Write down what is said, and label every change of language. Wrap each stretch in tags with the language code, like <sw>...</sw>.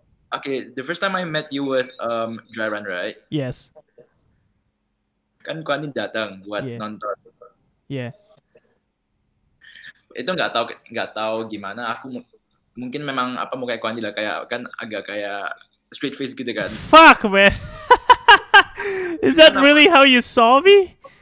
<en>Okay, the first time I met you was dry run, right? Yes.</en> <id>Kan ke Andy datang buat yeah. nonton.</id> <en>Yeah.</en> <id>Itu nggak tahu gimana aku. Mungkin memang apa mau kayak Kwandi lah kayak kan agak kayak straight face gitu kan.</id> <en>Fuck man. Is that really how you saw me?</en>